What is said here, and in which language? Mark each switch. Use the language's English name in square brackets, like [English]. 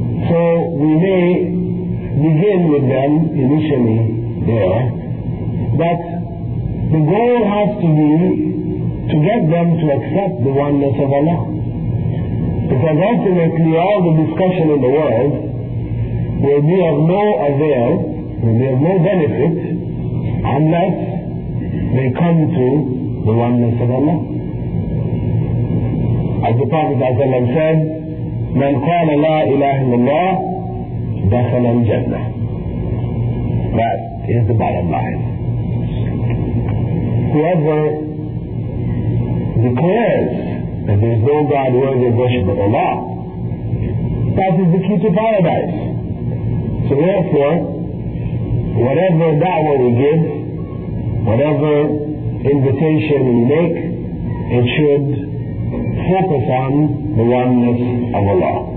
[English] So we may begin with them initially there, but the goal has to be to get them to accept the oneness of Allah. Because ultimately all the discussion in the world will be of no avail, will be of no benefit, unless they come to the oneness of Allah. As the Prophet ﷺ said, [Arabic] من قال لا إله إلا الله دخل الجنة. [English] That is the bottom line. Whoever declares that there is no God worthy of worship but Allah, that is the key to paradise. So therefore, whatever da'wah we give, whatever invitation we make, it should focus on the oneness of Allah.